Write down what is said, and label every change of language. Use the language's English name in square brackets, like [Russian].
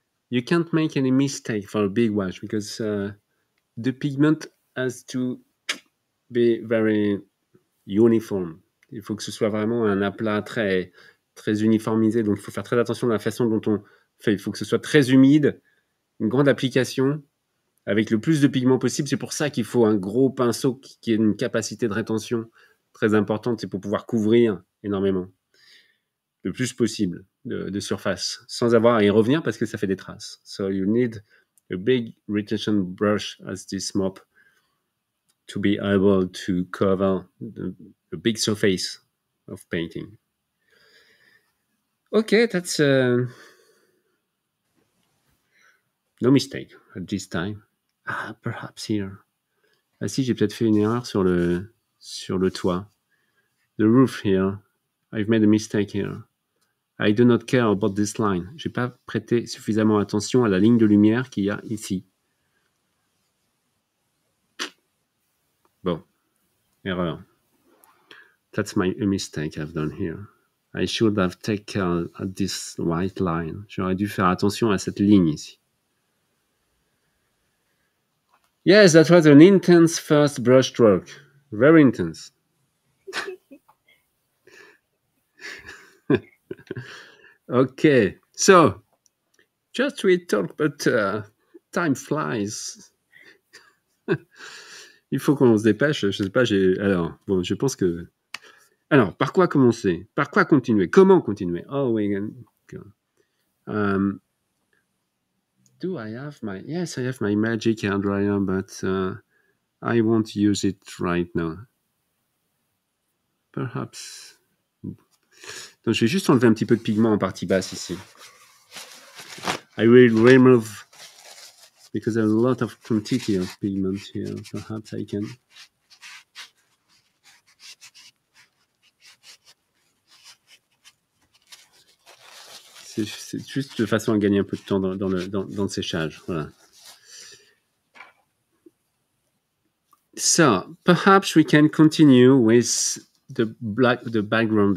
[English] You can't make any mistake for a big wash because the pigment has to be very uniform. [French] Il faut que ce soit vraiment un aplat très, très uniformisé. Donc, il faut faire très attention à la façon dont on fait. Il faut que ce soit très humide. Une grande application avec le plus de pigments possible. C'est pour ça qu'il faut un gros pinceau qui ait une capacité de rétention très importante. C'est pour pouvoir couvrir énormément, le plus possible de surface, sans avoir à y revenir parce que ça fait des traces. [English] So you need a big retention brush as this mop to be able to cover the big surface of painting. OK, that's... No mistake at this time. Ah, perhaps here. [French] Ah si, j'ai peut-être fait une erreur sur le toit. [English] The roof here. I've made a mistake here. I do not care about this line. [French] J'ai pas prêté suffisamment attention à la ligne de lumière qu'il y a ici. Bon. Erreur. [English] That's a mistake I've done here. I should have taken care of this white line. [French] J'aurais dû faire attention à cette ligne ici. [English] Yes, that was an intense first brush stroke. Very intense. Okay, so just we talk, but time flies. [French] Il faut qu'on se dépêche. Je sais pas. Je pense que. Alors, par quoi commencer? Par quoi continuer? Comment continuer? [English] Oh, we can. Do I have my... Yes, I have my magic hair dryer, but I won't use it right now. Perhaps. [French] Donc, je vais juste enlever un petit peu de pigment en partie basse ici. [English] I will remove... Because there's a lot of quantity of pigment here. Perhaps I can... [French] C'est juste de façon à gagner un peu de temps dans le séchage. Voilà. [English] So, perhaps we can continue with the black, the background.